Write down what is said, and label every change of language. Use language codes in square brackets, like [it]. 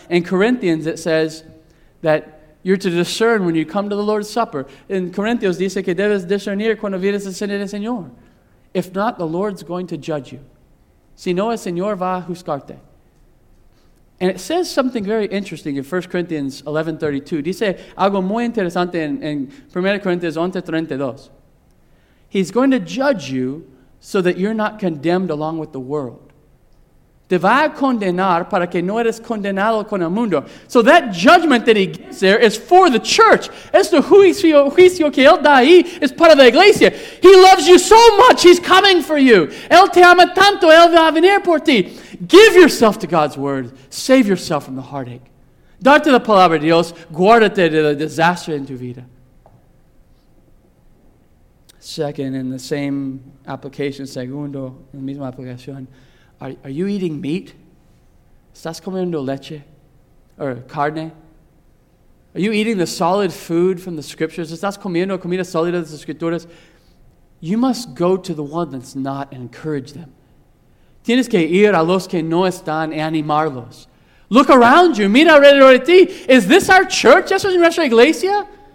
[en] In Corinthians it says that you're to discern when you come to the Lord's Supper. [es] In Corinthians dice que debes discernir cuando vienes a cenar del Señor. [en] If not, the Lord's going to judge you. [es] Si no, el Señor va a juzgarte. [en] And it says something very interesting in 1 Corinthians 11:32. [es] Dice algo muy interesante en 1 Corinthians 11:32. [en] He's going to judge you so that you're not condemned along with the world. [es] Te va a condenar para que no eres condenado con el mundo. [en] So that judgment that he gives there is for the church. [es] Este juicio que él da ahí es para la iglesia. [en] He loves you so much, he's coming for you. [es] Él te ama tanto, él va a venir por ti. [en] Give yourself to God's word. Save yourself from the heartache. [es] Darte la palabra de Dios, guárdate del desastre en tu vida. [en] Second, in the same application, [es] segundo, en la misma aplicación, [en] Are you eating meat? [es] ¿Estás comiendo leche? ¿Or carne? [en] Are you eating the solid food from the Scriptures? [es] ¿Estás comiendo comida sólida de las Escrituras? [en] You must go to the one that's not and encourage them. [es] Tienes que ir a los que no están y animarlos. [en] Look around you. [es] Mira alrededor de ti. [en] Is this our church? [es] ¿Esta es nuestra iglesia?